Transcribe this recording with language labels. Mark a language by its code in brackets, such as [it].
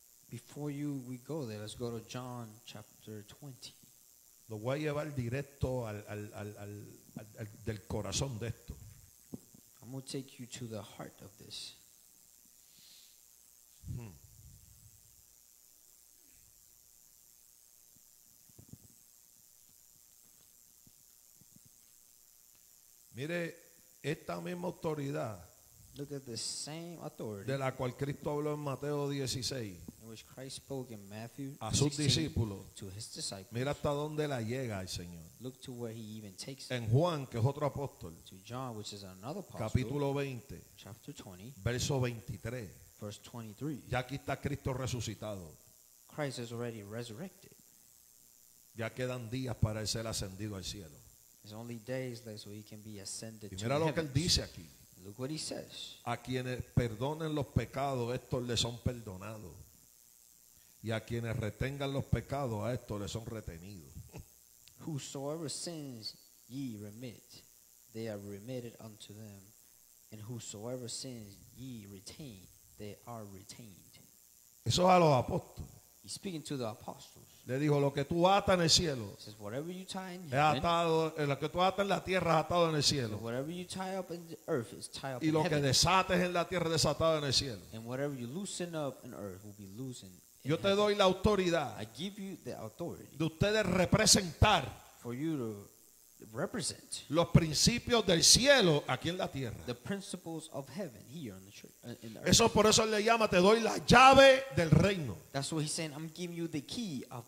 [en] Before we go there, let's go to John chapter 20. [es] lo voy a llevar directo al del corazón de esto. [en] I'm going to take you to the heart of this. [es] Mire, esta misma autoridad. [en] Look at the same authority. [es] De la cual Cristo habló en Mateo 16. [en] In which Christ spoke in Matthew 16. [es] A sus discípulos. [en] To his disciples. [es] Mira hasta dónde la llega el Señor. [en] Look to where he even takes [es] en Juan, que es otro apóstol. [en] To John, which is another apostle. [es] Capítulo 20. [en] Chapter 20. [es] Verso 23. [en] Verse 23. [es] Ya aquí está Cristo resucitado. [en] Christ is already resurrected. [es] Ya quedan días para ser ascendido al cielo. [en] It's only days left so he can be ascended. [es] Y mira [en] to [es] lo [en] heaven. [es] Que él dice aquí. [en] Look what he says. [es] A quienes perdonen los pecados, estos les son perdonados. Y a quienes retengan los pecados, a estos les son retenidos. [en] Whosoever sins ye remit, they are remitted unto them. And whosoever sins ye retain, they are retained. [es] Eso es a los apóstoles. [en] He's speaking to the apostles. [es] Le dijo, lo que tú atas en el cielo, [en] says, whatever you tie in [es] heaven, atado, lo que tú atas en la tierra es atado en el cielo. [en] So whatever you tie up in the earth is tied up [es] y lo [en] in [es] que [en] heaven. [es] Desates en la tierra es desatado en el cielo. [en] And whatever you loosen up in earth will be loosened. [es] Yo te doy la autoridad. [en] I give you the authority. [es] De ustedes representar. [en] For you to represent. [es] Los principios del cielo aquí en la tierra. [en] The principles of heaven here in the church. [es] Eso por eso le llama, te doy la llave del reino. [en] That's what he's saying, I'm giving you the key of